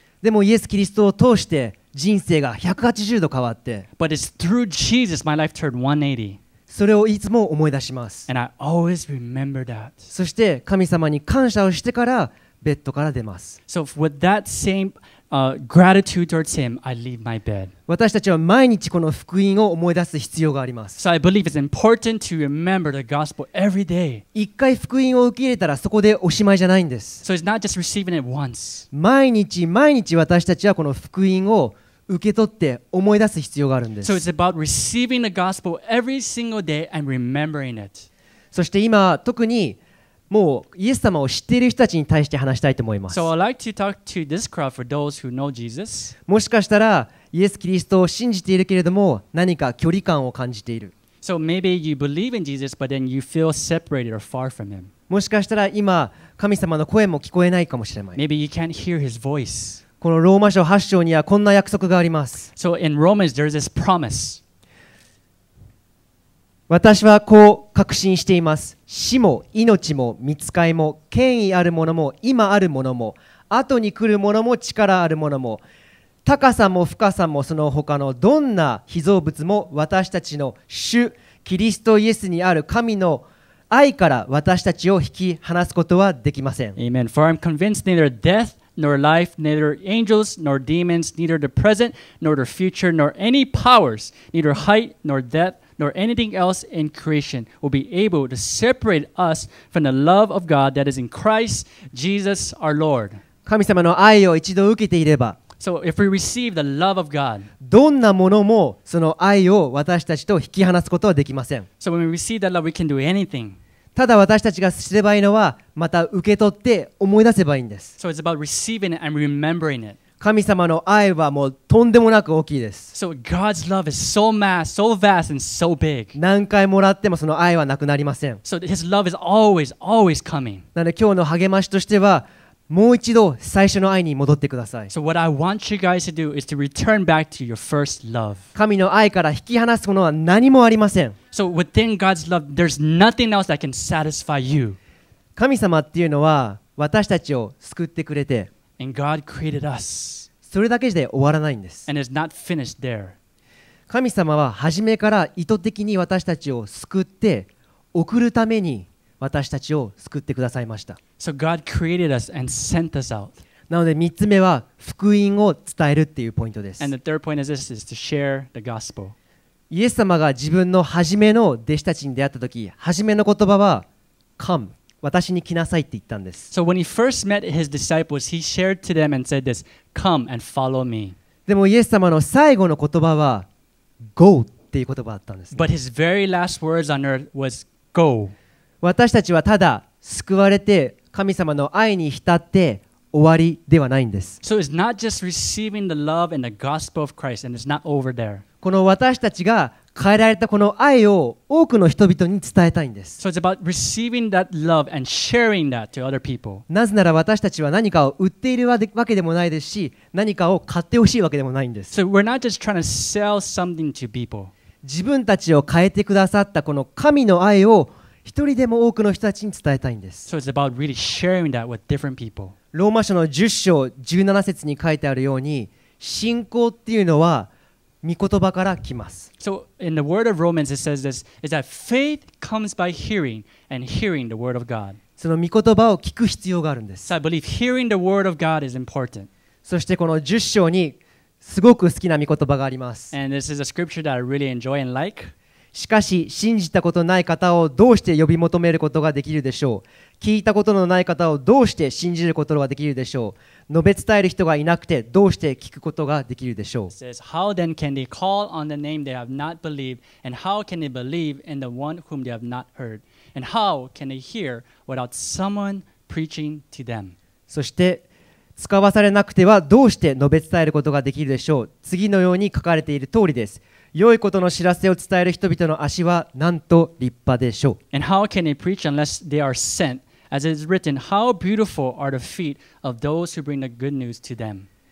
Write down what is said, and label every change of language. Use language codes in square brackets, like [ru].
[ja] でもイエス・キリストを通して人生が180度変わって [en] But it's through Jesus my life turned 180. [ja] それをいつも思い出します。 [en] And I always remember that. [ja] そして神様に感謝をしてからベッドから出ます。 [en] So with that same, gratitude towards him, I leave my bed. [ja] 私たちは毎日この福音を思い出す必要があります。 [en] So I believe it's important to remember the gospel every day. [ja] 一回福音を受け入れたらそこでおしまいじゃないんです。 [en] So it's not just receiving it once. [ja] 毎日毎日私たちはこの福音を受け取って思い出す必要があるんです。 [en] So it's about receiving the gospel every single day and remembering it. [ja] そして今特にもうイエス様を知っている人たちに対して話したいと思います。 [en] So I'd like to talk to this crowd for those who know Jesus. [ja] もしかしたらイエス・キリストを信じているけれども何か距離感を感じている。 [en] So maybe you believe in Jesus, but then you feel separated or far from him. [ja] もしかしたら今神様の声も聞こえないかもしれない。 [en] Maybe you can't hear his voice. [ja] このローマ書8章にはこんな約束があります。 [en] So in Romans, there is this promise. [ja] 私はこう確信しています。死も命も御使いも権威あるものも今あるものも後に来るものも力あるものも高さも深さもその他のどんな被造物も私たちの主キリストイエスにある神の愛から私たちを引き離すことはできません。 [en] Amen. For I am convinced neither death nor life, neither angels nor demons, neither the present nor the future, nor any powers, neither height nor depth, nor anything else in creation will be able to separate us from the love of God that is in Christ Jesus our Lord. [ja] 神様の愛を一度受けていれば、 [en] So if we receive the love of God, [ja] どんなものもその愛を私たちと引き離すことはできません。 [en] So when we receive that love, we can do anything. [ja] ただ私たちがすればいいのは、また受け取って思い出せばいいんです。 [en] So it's about receiving it and remembering it. [ja] 神様の愛はもうとんでもなく大きいです。 [en] So God's love is so mass, so vast and so big. [ja] 何回もらってもその愛はなくなりません。 [en] So His love is always, always coming. [ja] なので今日の励ましとしては、もう一度最初の愛に戻ってください。 [en] So what I want you guys to do is to return back to your first love. [ja] 神の愛から引き離すものは何もありません。 [en] So within God's love, there's nothing else that can satisfy you. [ja] 神様っていうのは私たちを救ってくれて、 [en] And God created us. [ja] それだけで終わらないんです。 [en] And it's not finished there. [ja] 神様は初めから意図的に私たちを救って送るために私たちを救ってくださいました。 [en] So God created us and sent us out. [ja] なので3つ目は福音を伝えるっていうポイントです。 [en] And the third point is this, is to share the gospel. [ja] イエス様が自分の初めの弟子たちに出会った時、初めの言葉は、Come, 私に来なさいって言ったんです。 [en] So when he first met his disciples, he shared to them and said this, Come and follow me. [ja] でもイエス様の最後の言葉は、Go っていう言葉だったんです、 [en] ね。But his very last words on earth was, Go. [ja] 私たちはただ救われて神様の愛に浸って終わりではないんです。 [en] So it's not just receiving the love and the gospel of Christ and it's not over there. [ja] この私たちが変えられたこの愛を多くの人々に伝えたいんです。 [en] So it's about receiving that love and sharing that to other people. [ja] なぜなら私たちは何かを売っているわけでもないですし、何かを買ってほしいわけでもないんです。 [en] So we're not just trying to sell something to people. [ja] 自分たちを変えてくださったこの神の愛を一人でも多くの人たちに伝えたいんです。 [en] So it's about really sharing that with different people. [ja] ローマ書の10章17節に書いてあるように、信仰っていうのは御言葉から来ます。 [en] So in the word of Romans it says this, is that faith comes by hearing and hearing the word of God. [ja] その御言葉を聞く必要があるんです。 [en] So I believe hearing the word of God is important. [ja] そしてこの10章にすごく好きな御言葉があります。 [en] And this is a scripture that I really enjoy and like. [ja] しかし信じたことない方をどうして呼び求めることができるでしょう。聞いたことのない方をどうして信じることができるでしょう。述べ伝える人がいなくてどうして聞くことができるでしょう。 [en] It says, how then can they call on the name they have not believed, and how can they believe in the one whom they have not heard, and how can they hear without someone preaching to them? [ja] そして使わされなくてはどうして述べ伝えることができるでしょう。次のように書かれている通りです。良いことの知らせを伝える人々の足はなんと立派でしょう。 [en] And how can they preach unless they are sent? As it is written, how beautiful are the feet of those who bring the good news to them.